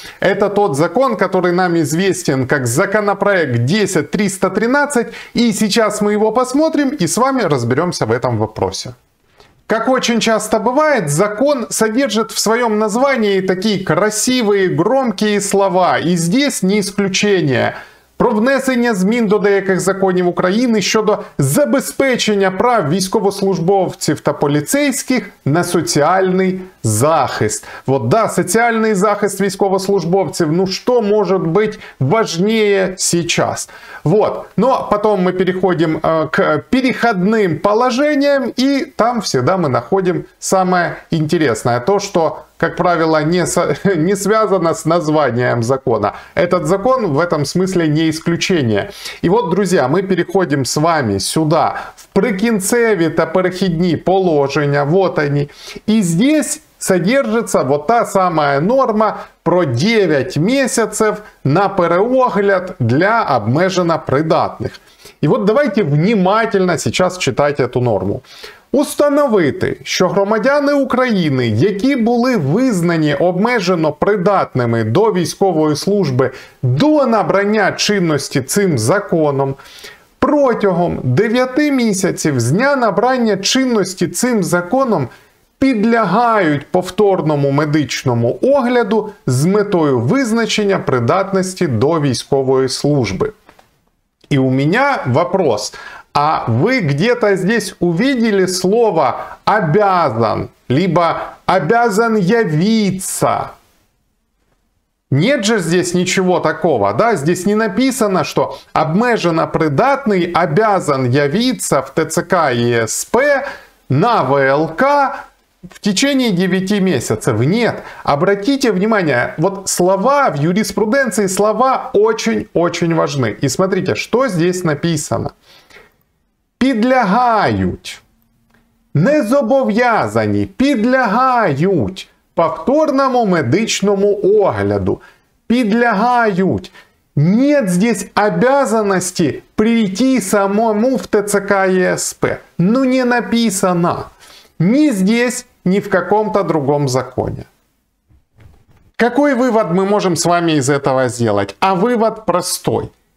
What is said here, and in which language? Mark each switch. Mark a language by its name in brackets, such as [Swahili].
[Russian] Это тот закон, который нам известен как законопроект 10.313. И сейчас мы его посмотрим и с вами разберемся в этом вопросе. Как очень часто бывает, закон содержит в своем названии такие красивые, громкие слова. И здесь не исключение. [Ukrainian] Про внесення змін до деяких законів України щодо забезпечення прав військовослужбовців та поліцейських на соціальний захист. От, да, соціальний захист військовослужбовців, ну що може бути важніше зараз? От, ну, потім ми переходимо к перехідним положенням, і там завжди ми знаходимо саме інтересне, то, що... [Russian] Как правило, не связано с названием закона. Этот закон в этом смысле не исключение. И вот, друзья, мы переходим с вами сюда, в [Ukrainian] прикінцеві та перехідні положення, [Russian] вот они. И здесь содержится вот та самая норма про 9 месяцев на переогляд для обмежено придатных. И вот давайте внимательно сейчас читать эту норму. [Ukrainian] Установити, що громадяни України, які були визнані обмежено придатними до військової служби до набрання чинності цим законом, протягом 9 місяців з дня набрання чинності цим законом підлягають повторному медичному огляду з метою визначення придатності до військової служби. І у мене вопрос. [Russian] А вы где-то здесь увидели слово «обязан» либо «обязан явиться»? Нет же здесь ничего такого, да? Здесь не написано, что обмеженно придатный обязан явиться в ТЦК и СП на ВЛК в течение 9 месяцев. Нет. Обратите внимание, вот слова в юриспруденции, слова очень-очень важны. И смотрите, что здесь написано. [Ukrainian] Підлягають, не зобов'язані, підлягають повторному медичному огляду, підлягають. [Russian] Нет здесь обязанности прийти самому в ТЦК и СП. Ну не написано. Ни здесь, ни в каком-то другом законе. Какой вывод мы можем с вами из этого сделать? А вывод простой.